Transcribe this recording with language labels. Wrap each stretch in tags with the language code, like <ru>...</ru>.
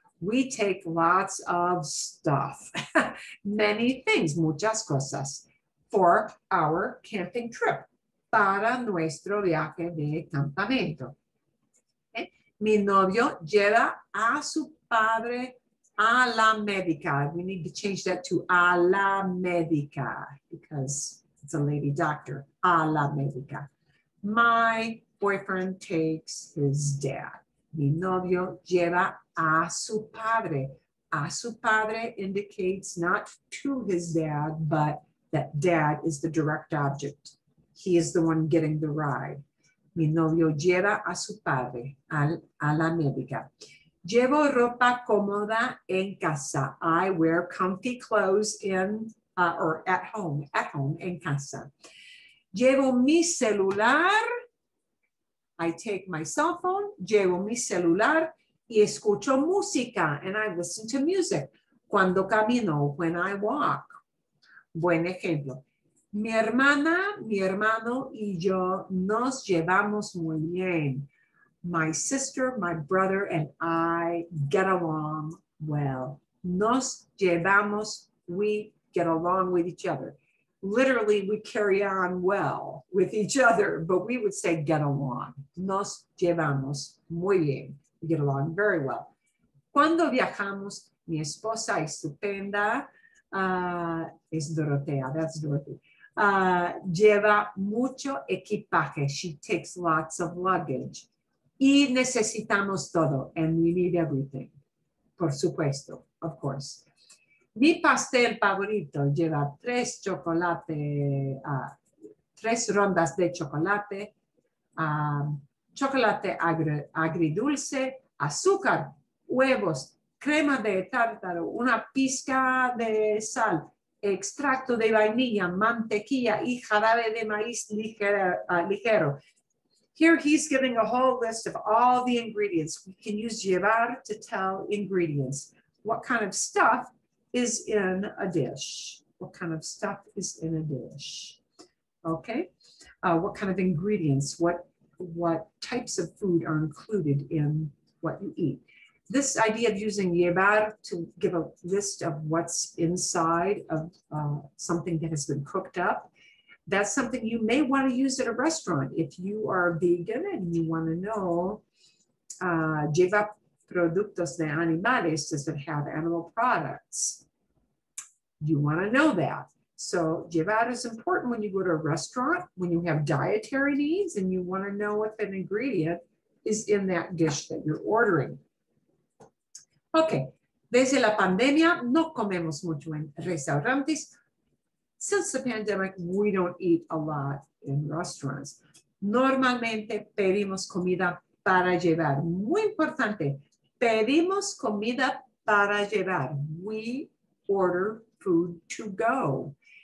<en>We take lots of stuff, many things,</en> <es>muchas cosas,</es> <en>for our camping trip,</en> <es>para nuestro viaje de campamento. Mi novio lleva a su padre a la médica.</es> <en>We need to change that to</en> <es>a la médica</es> <en>because it's a lady doctor.</en> <es>A la médica.</es> <en>My boyfriend takes his dad.</en> <es>Mi novio lleva a su padre. A su padre</es> <en>indicates not to his dad, but that dad is the direct object. He is the one getting the ride.</en> <es>Mi novio lleva a su padre a la médica. Llevo ropa cómoda en casa.</es> <en>I wear comfy clothes in or at home</en> <es>en casa. Llevo mi celular.</es> <en>I take my cell phone.</en> <es>Llevo mi celular y escucho música,</es> <en>and I listen to music</en> <es>cuando camino,</es> <en>when I walk.</en> <es>Buen ejemplo. Mi hermana, mi hermano y yo nos llevamos muy bien.</es> <en>My sister, my brother, and I get along well.</en> <es>Nos llevamos,</es> <en>we get along with each other. Literally, we carry on well with each other, but we would say get along.</en> <es>Nos llevamos muy bien.</es> <en>We get along very well.</en> <es>Cuando viajamos, mi esposa es estupenda. Es Dorotea,</es> <en>that's Dorothy.</en> <es>Lleva mucho equipaje.</es> <en>She takes lots of luggage.</en> <es>Y necesitamos todo.</es> <en>And we need everything.</en> <es>Por supuesto,</es> <en>of course.</en> <es>Mi pastel favorito lleva tres chocolate, tres rondas de chocolate, chocolate agridulce, azúcar, huevos, crema de tártaro, una pizca de sal, extracto de vainilla, mantequilla, y jarabe de maíz ligero.</es> <en>Here he's giving a whole list of all the ingredients. We can use llevar to tell ingredients. What kind of stuff is in a dish? What kind of stuff is in a dish? Okay. What kind of ingredients? What types of food are included in what you eat? this idea of using llevar to give a list of what's inside of something that has been cooked up, that's something you may want to use at a restaurant. If you are vegan and you want to know,</en> <es>lleva productos de animales,</es> <en>does it have animal products? You want to know that. So llevar is important when you go to a restaurant, when you have dietary needs and you want to know if an ingredient is in that dish that you're ordering.</en> <es>Okay, desde la pandemia, no comemos mucho en restaurantes.</es> <en>Since the pandemic, we don't eat a lot in restaurants.</en> <es>Normalmente pedimos comida para llevar. Muy importante, pedimos comida para llevar.</es> <en>We order food to go.</en>